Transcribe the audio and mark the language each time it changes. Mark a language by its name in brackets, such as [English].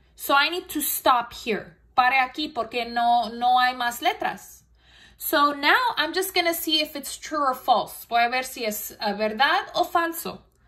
[English] So I need to stop here, [Spanish] pare aquí porque no hay más letras. [English] So now I'm just going to see if it's true or false. [Spanish] Voy a ver si es verdad o falso.